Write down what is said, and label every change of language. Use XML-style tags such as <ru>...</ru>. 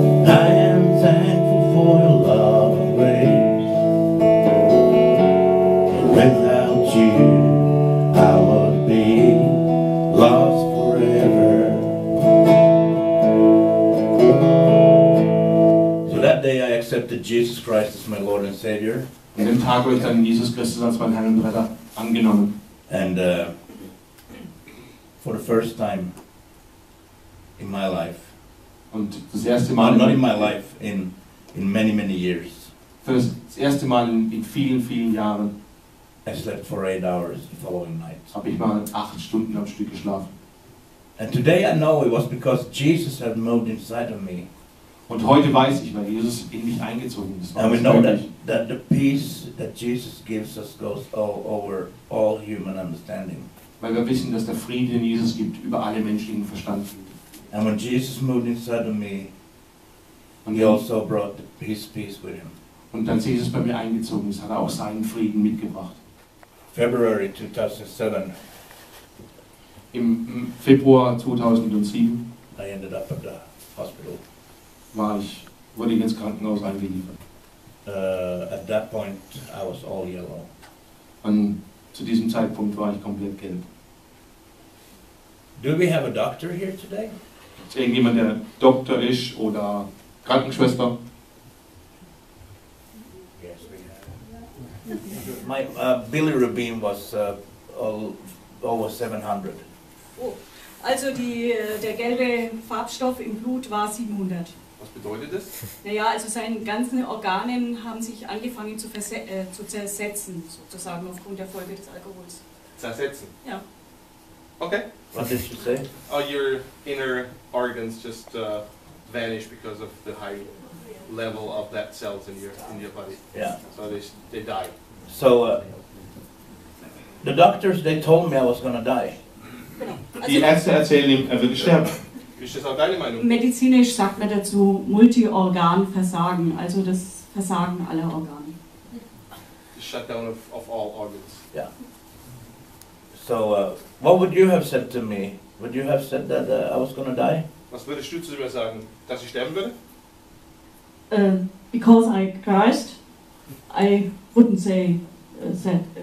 <en>I am thankful for your love and grace. Without you, I would be lost forever. So that day I accepted Jesus Christ as my Lord and Savior.</en> <de>An dem Tag wurde dann Jesus Christus als mein Herr und Retter angenommen.</de> <en>And for the first time in my life.</en> <de>Und das erste Mal</de> <en>not in my life in many many years.</en> <de>Für das erste Mal in vielen vielen Jahren.</de> <en>I slept for 8 hours the following night.</en> <de>Habe ich mal 8 Stunden am Stück geschlafen.</de> <en>And today I know it was because Jesus had moved inside of me.</en> <de>Und heute weiß ich, weil Jesus in mich eingezogen ist.</de> <en>And we know that the peace that Jesus gives us goes all over all human understanding.</en> <de>Weil wir wissen, dass der Frieden, den Jesus gibt, über alle menschlichen Verstand.</de> <en>And when Jesus moved inside of me, and he also brought the peace with him.</en> <de>Und als Jesus bei mir eingezogen ist, hat er auch seinen Frieden mitgebracht.</de> <en>February 2007.</en> <de>Im Februar 2007.</de> <en>I ended up at the hospital.</en> <de>Wurde ich ins Krankenhaus eingeliefert.</de> <en>At that point, I was all yellow.</en> <de>Und zu diesem Zeitpunkt war ich komplett gelb.</de> <en>Do we have a doctor here today?</en> <de>Ist irgendjemand, der Doktor ist oder Krankenschwester?</de> <en>Yes, we have. My bilirubin was over 700.</en> <de>Oh. Also der gelbe Farbstoff im Blut war 700. Was bedeutet das? Naja, also seine ganzen Organe haben sich angefangen zu zersetzen, sozusagen, aufgrund der Folge des Alkohols. Zersetzen? Ja. Okay.</de> <en>What did you say? Oh, your inner organs just vanished because of the high level of that cells in your body. Yeah. So they died. So, the doctors, they told me I was going to die.</en> <de>Die Ärzte erzählen ihm, er wird sterben. Ist das auch deine Meinung? Medizinisch sagt man dazu Multiorganversagen, also das Versagen aller Organe.</de> <en>The shutdown of all organs. Yeah. So, what would you have said to me? Would you have said that I was going to die?</en> <de>Was würdest du zu mir sagen? Dass ich sterben würde?</de> <en>Because I Christ, I wouldn't say that.</en>